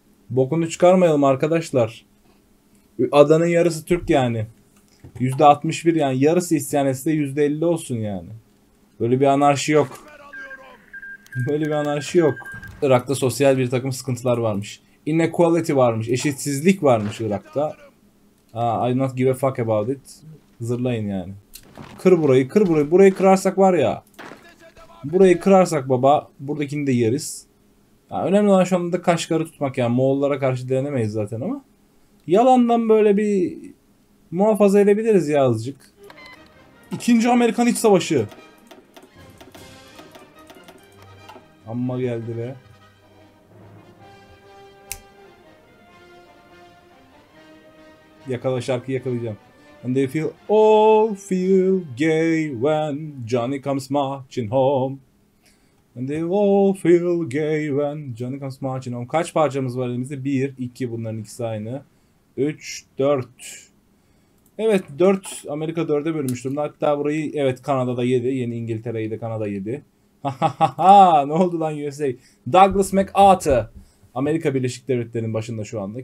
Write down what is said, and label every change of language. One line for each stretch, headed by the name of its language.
Turkish: Bokunu çıkarmayalım arkadaşlar. Adanın yarısı Türk yani. %61 yani. Yarısı isyan etse de %50 olsun yani. Böyle bir anarşi yok. Böyle bir anarşi yok. Irak'ta sosyal bir takım sıkıntılar varmış. Inequality varmış. Eşitsizlik varmış Irak'ta.
English: I don't give a fuck about it.
Turkish: Zırlayın yani. Kır burayı, kır burayı. Burayı kırarsak var ya. Burayı kırarsak baba, buradakini de yeriz. Yani önemli olan şu anda da Kaşgar'ı tutmak yani. Moğollara karşı direnemeyiz zaten ama. Yalandan böyle bir muhafaza edebiliriz ya azıcık. İkinci Amerikan İç Savaşı. Amma geldi be. Yakala şarkıyı yakalayacağım.
English: And they feel all feel gay when Johnny comes marching home. And they all feel gay when Johnny comes marching home.
Turkish: Kaç parçamız var elimizde? 1, 2 bunların ikisi aynı. 3, 4. Evet 4, Amerika 4'e bölmüş durumda. Hatta burayı evet Kanada'da 7. Yeni İngiltere'yi de Kanada 7. Ne oldu lan USA? Douglas MacArthur. Amerika Birleşik Devletleri'nin başında şu anda.